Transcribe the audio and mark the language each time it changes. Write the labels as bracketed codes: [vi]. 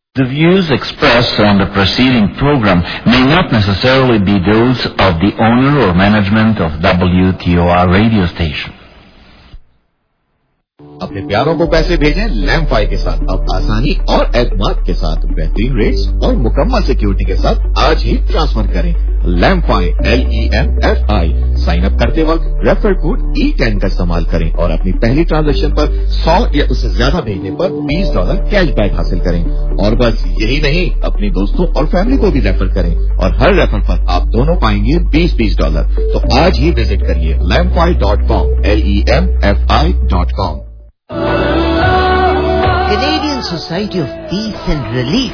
[en] The views expressed on the preceding program may not necessarily be those of the owner or management of WTOR radio station. [hi] अपने प्यारों को पैसे भेजें लैम्पफाई के साथ, अब आसानी और एतमाद के साथ, बेहतरीन रेट्स और मुकम्मल सिक्योरिटी के साथ आज ही ट्रांसफर करें। लैम्पफाई LEMFI, साइन अप करते वक्त रेफर कोड E10 का इस्तेमाल करें और अपनी पहली ट्रांजैक्शन पर 100 या उससे ज्यादा भेजने पर $20 कैश बैक हासिल करें। और बस यही नहीं, अपने दोस्तों और फैमिली को भी रेफर करें और हर रेफर पर आप दोनों पाएंगे $20-$20। तो आज ही विजिट करिए lamfi.com, LEMFI.com. [en] Canadian Society of Peace and Relief